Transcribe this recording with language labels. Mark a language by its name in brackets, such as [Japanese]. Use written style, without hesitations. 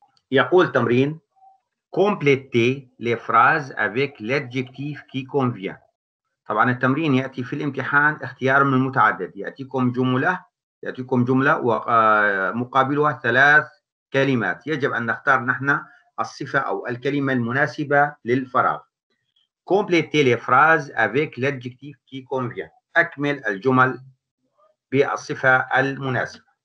[Arabic] يقول تمرين: [French] كومبليتي لي فراز افيك لادجكتيف كي كونفيان. [Arabic] طبعا التمرين يأتي في الامتحان اختيار من متعدد، يأتيكم جملة ومقابلها ثلاث كلمات، يجب أن نختار نحن الصفة أو الكلمة المناسبة للفراغ. [French] Complete les phrases avec l'adjectif qui convient. [Arabic] أكمل الجمل بالصفة المناسبة.